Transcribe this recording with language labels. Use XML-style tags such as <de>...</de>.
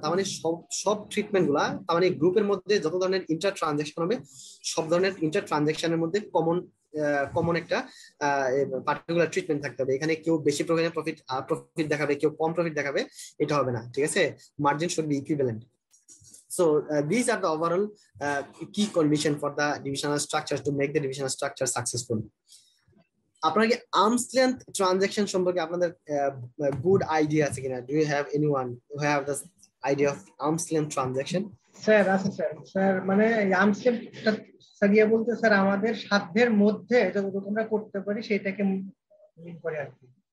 <bn>তার মানে সব ট্রিটমেন্ট গুলা, তার মানে গ্রুপের মধ্যে যত ধরনের ইন্টার ট্রানজাকশন হবে সব ধরনের ইন্টার ট্রানজাকশনের মধ্যে কমন একটা পার্টিকুলার ট্রিটমেন্ট থাকতে হবে। এখানে কেউ বেশি প্রফিট প্রফিট দেখাবে, কেউ কম প্রফিট দেখাবে, এটা হবে না, ঠিক আছে।</bn> <en>Margin should be equivalent. So these are the overall key condition for the divisional structure to make the divisional structure successful.</en> <bn>আপনাকে arms length transaction সম্পর্কে আপনাদের</bn> <en>good idea</en> <bn>আছে কিনা?</bn> <en>Do you have anyone who have this idea of arms length transaction?</en> <bn>Sir আছে sir, sir মানে arms length সাগিয়ে বলতে sir আমাদের সাধ্যের মধ্যে যতটুকু আমরা করতে পারি সেটাকে মিন করে আর কি।</bn>